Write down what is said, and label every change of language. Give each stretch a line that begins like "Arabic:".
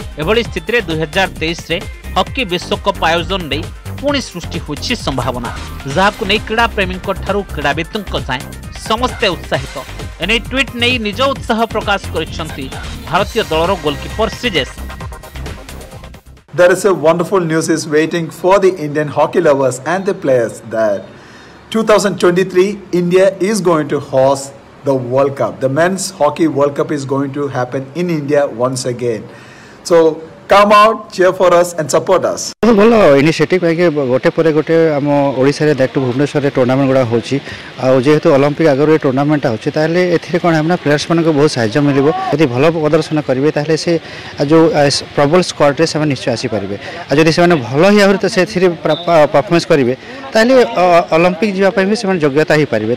Odia: ଏଭଳି ସ୍ଥିତିରେ 2023 ହକି ବିଶ୍ୱକପ୍ ଆୟୋଜନ ନେଇ ପୁଣି ସୃଷ୍ଟି ହୋଇଛି ସମ୍ଭାବନା, ଯାହାକୁ ନେଇ କ୍ରୀଡ଼ାପ୍ରେମୀଙ୍କ ଠାରୁ କ୍ରୀଡ଼ାବିତଙ୍କ ଯାଏଁ ସମସ୍ତେ ଉତ୍ସାହିତ। ଏନେଇ ଟ୍ୱିଟ୍ ନେଇ ନିଜ ଉତ୍ସାହ ପ୍ରକାଶ କରିଛନ୍ତି ଭାରତୀୟ ଦଳର goalkeeper ସିଜେଶ।
English: There is a wonderful news is waiting for the Indian hockey lovers and the players that 2023 India is going to host the World Cup. The men's hockey World Cup is going to happen in India once again. So come out, cheer for us and support us.
Odia: ଭଲ initiative କାହିଁକି ଗୋଟେ ପରେ ଗୋଟେ ଆମ ଓଡ଼ିଶାରେ ଦାୟିତ୍ୱ ଭୁବନେଶ୍ୱରରେ tournament ଗୁଡ଼ା ହେଉଛି, ଆଉ ଯେହେତୁ ଅଲମ୍ପିକ୍ ଆଗରୁ ଏ ଟୁର୍ଣ୍ଣାମେଣ୍ଟଟା ଅଛି ତାହେଲେ ଏଥିରେ କ'ଣ ହେବ ନା ପ୍ଲେୟର୍ସମାନଙ୍କୁ ବହୁତ ସାହାଯ୍ୟ ମିଳିବ। ଯଦି ଭଲ ପ୍ରଦର୍ଶନ କରିବେ ତାହେଲେ ସେ ଯେଉଁ ପ୍ରବଲ ସ୍କ୍ୱାଡ଼ରେ ସେମାନେ ନିଶ୍ଚୟ ଆସିପାରିବେ, ଆଉ ଯଦି ସେମାନେ ଭଲ ହିଁ ଆହୁରି ତ ସେଥିରେ ପରଫର୍ମାନ୍ସ କରିବେ ତାହେଲେ ଅଲମ୍ପିକ୍ ଯିବା ପାଇଁ ବି ସେମାନେ ଯୋଗ୍ୟତା ହୋଇପାରିବେ।